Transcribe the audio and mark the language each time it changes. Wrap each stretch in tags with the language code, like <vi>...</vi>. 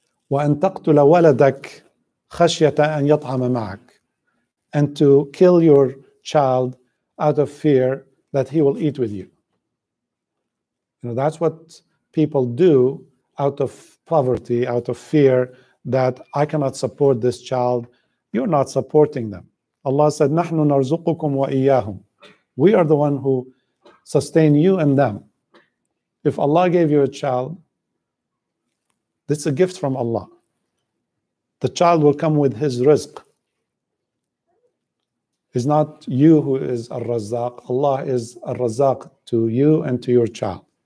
<ar>وَأَن تَقْتُلَ وَلَدَكَ خَشْيَةَ أَن يَطْعَمَ مَعَكَ,</ar> <en>and to kill your child out of fear that he will eat with you. You know, that's what people do out of poverty, out of fear that I cannot support this child. You're not supporting them. Allah said,</en> <ar>نَحْنُ نَرْزُقُكُمْ وَإِيَّاهُمْ.</ar> <en>We are the one who sustain you and them. If Allah gave you a child, this is a gift from Allah. The child will come with his rizq. It's not you who is al-Razzaq. Allah is al-Razzaq to you and to your child.</en>